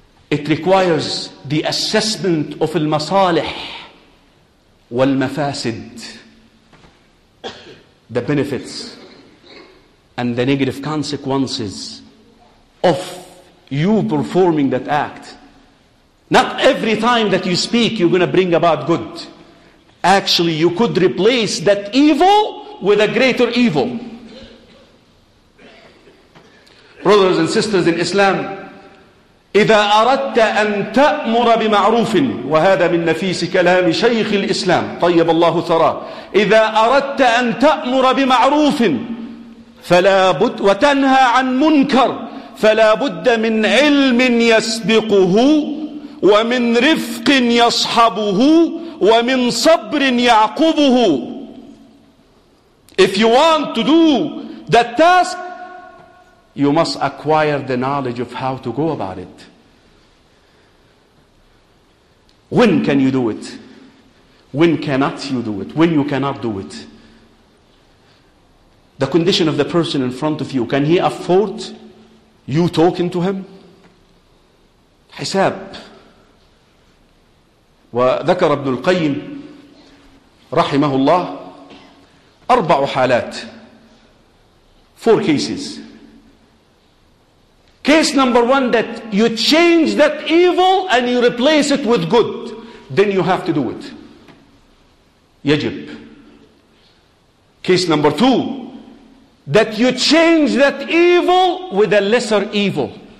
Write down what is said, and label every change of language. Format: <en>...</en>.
<en>It requires the assessment of al-masalih wal-mafasid, the benefits and the negative consequences of you performing that act. Not every time that you speak, you're going to bring about good. Actually, you could replace that evil with a greater evil. Brothers and sisters in Islam,</en> <ar>إذا أردت أن تأمر بمعروف وهذا من نفيس كلام شيخ الإسلام طيب الله ثراه, إذا أردت أن تأمر بمعروف فلا بد وتنهى عن منكر فلا بد من علم يسبقه ومن رفق يصحبه ومن صبر يعقبه.</ar> <en>If you want to do that task, you must acquire the knowledge of how to go about it. When can you do it? When cannot you do it? When you cannot do it? The condition of the person in front of you, can he afford you talking to him? Hisab.</en> <ar>وذكر ابن القيم رحمه الله أربع حالات.</ar> <en>Four cases. Case number one, that you change that evil and you replace it with good. Then you have to do it. Yajib. Case number two, that you change that evil with a lesser evil.</en>